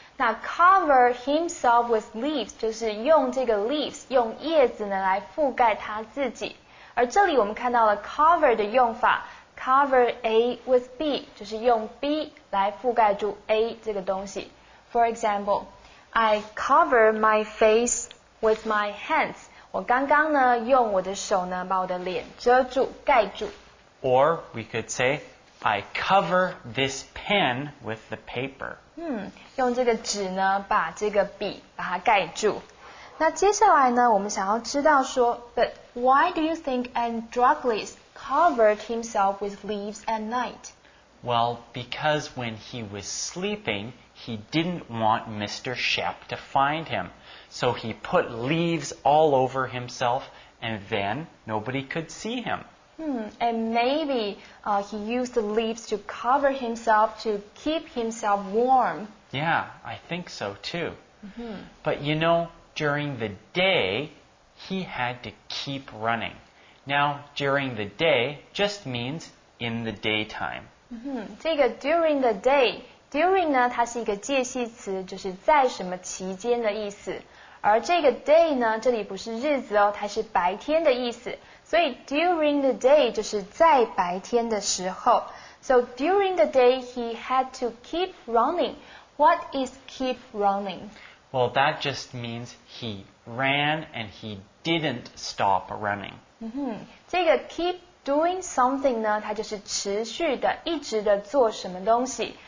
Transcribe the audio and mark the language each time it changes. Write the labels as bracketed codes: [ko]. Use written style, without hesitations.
[zh] 那 [en] cover himself with leaves [zh] 就是用这个 leaves 用叶子呢来覆盖他自己。而这里我们看到了 cover 的用法， cover A with B 就是用 B 来覆盖住 A 这个东西。 [en] For example, I cover my face with my hands. [zh] 我刚刚呢用我的手呢把我的脸遮住盖住。 [en] Or we could say,I cover this pen with the paper. [zh] 用这个纸呢把这个笔把它盖住。那接下来呢我们想要知道说 [en] But why do you think Androcles covered himself with leaves at night? Well, because when he was sleeping, he didn't want Mr. Shep to find him. So he put leaves all over himself and then nobody could see him. And maybe he used the leaves to cover himself to keep himself warm. Yeah, I think so too. Mm-hmm. But you know, during the day, he had to keep running. Now, during the day just means in the daytime. [zh] Mm-hmm. 这个 [en] during the day, [zh] during 呢它是一个介系词，就是在什么期间的意思。而这个 day 呢，这里不是日子哦，它是白天的意思。所以 during the day 就是在白天的时候。 [en] So during the day he had to keep running. What is keep running? Well, that just means he ran and he didn't stop running. [zh] 这个 keep doing something 呢，它就是持续的、一直的做什么东西。